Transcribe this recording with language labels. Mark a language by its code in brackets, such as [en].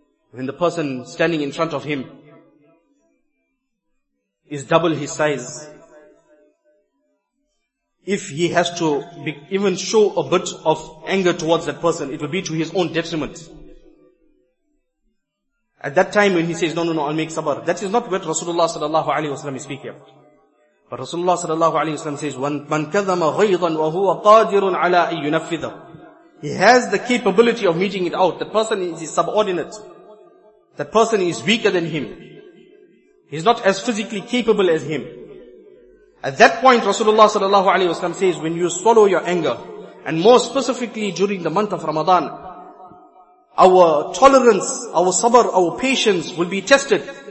[en] When the person standing in front of him is double his size, if he has to even show a bit of anger towards that person, it will be to his own detriment. At that time when he says, no, I'll make sabr, that is not what Rasulullah sallallahu alayhi wa sallam is speaking about. [ar] But Rasulullah sallallahu alayhi wa sallam says, مَنْ كَذَمَ غَيْضًا وَهُوَ قَادِرٌ عَلَىٰ أَن يُنَفِّذَهُ. [en] He has the capability of meeting it out. That person is his subordinate. That person is weaker than him. He's not as physically capable as him. At that point, Rasulullah sallallahu alayhi wa sallam says, when you swallow your anger, and more specifically during the month of Ramadan, our tolerance, our sabr, our patience will be tested.